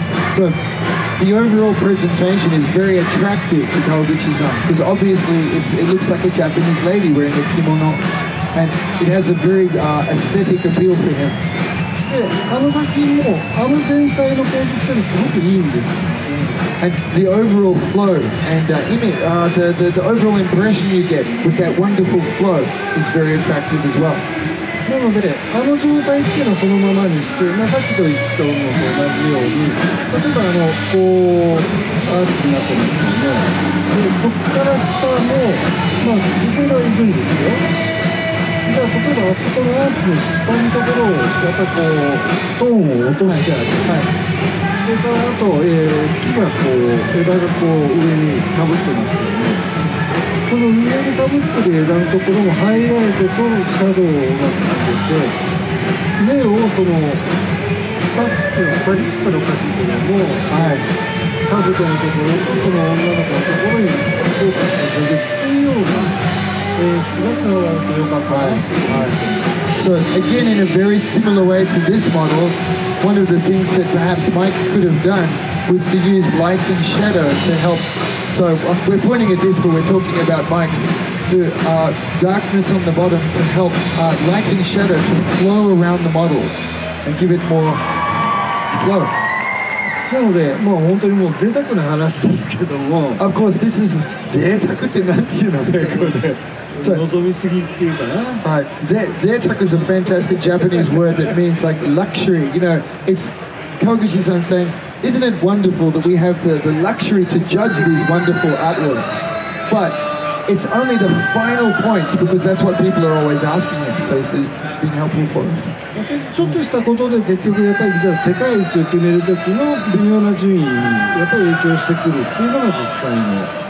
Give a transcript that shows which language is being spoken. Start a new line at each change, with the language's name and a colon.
English: So, the overall presentation is very attractive to Kawaguchi-san because obviously it looks like a Japanese lady wearing a kimono and it has a very aesthetic appeal for him. And the overall flow and the overall impression you get with that wonderful flow is very attractive as well.
Japanese: なので、ね、あの状態っていうのをそのままにして、まあ、さっきと言ったのと同じように、例えばあのこうアーチになってますけども、でそこから下も、まあ、受けがいるんですよ。じゃあ、例えばあそこのアーチの下のところを、やっぱりこう、トーンを落としてあげて、はい、それからあと、木がこう、枝がこう上にかぶってますよね。その上にかぶってる枝のところもハイライトとシャドウをうまくつけて目をその2人っつったらおかしいけども、はい、カブトのところとその女の子のところにフォーカスさせるっていうような。
English: So again, in a very similar way to this model, one of the things that perhaps Mike could have done was to use light and shadow to help. So we're pointing at this, but we're talking about Mike's darkness on the bottom to help light and shadow to flow around the model and give it more flow.
Japanese: なので、まあ、本当にもう贅沢な話ですけども。
English: Of course, this is
Japanese: 贅沢ってなんていうの、これ。
English: Zetaku is a fantastic Japanese word that means like luxury. You know, it's Kawaguchi-san saying, isn't it wonderful that we have the luxury to judge these wonderful artworks? But it's only the final points, because that's what people are always asking him, so it's been helpful for us.